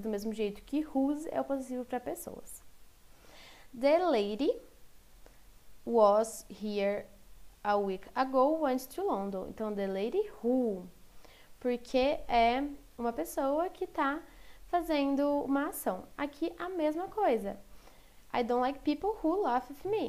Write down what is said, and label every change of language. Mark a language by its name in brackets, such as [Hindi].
[Portuguese] Do mesmo jeito que whose é o possessivo para pessoas. [English] The lady was here a week ago, went to London. [Portuguese] Então, [English] the lady who. [Portuguese] Porque é uma pessoa que está fazendo uma ação. Aqui a mesma coisa. [English] I don't like people who laugh at me.